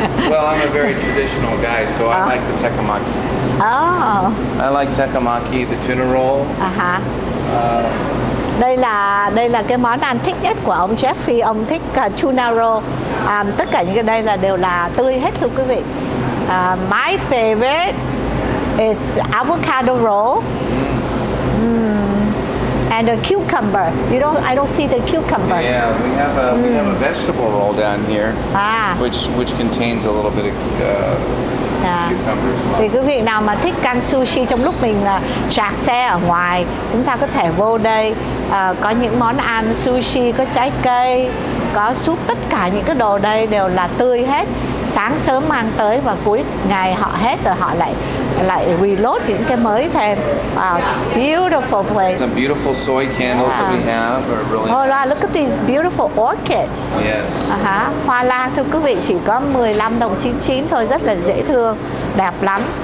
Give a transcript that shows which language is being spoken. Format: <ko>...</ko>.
<en>Well, I'm a very traditional guy, so I like the tekamaki. Oh. I like tekamaki, the tuna roll. Uh-huh.</en> <vi>Đây là cái món ăn thích nhất của ông Jeffrey. Ông thích tuna roll. Tất cả những cái đây là đều là tươi hết thưa quý vị.</vi> <en>My favorite is avocado roll. And a cucumber. I don't see the cucumber. Yeah, we have a vegetable roll down here. Which contains a little bit of cucumber as well.</en> <vi>Thì quý vị nào mà thích ăn sushi trong lúc mình chạc xe ở ngoài, chúng ta có thể vô đây, có những món ăn sushi, có trái cây, có súp, tất cả những cái đồ đây đều là tươi hết. Sáng sớm mang tới và cuối ngày họ hết rồi họ lại reload những cái mới thêm.</vi> <en>Wow, beautiful place. Some beautiful soy candles that we have are really nice. Wow, look at these beautiful orchids. Yes.</en> <vi>Hoa lan thưa quý vị chỉ có 15 đồng 99 thôi, rất là dễ thương, đẹp lắm.</vi>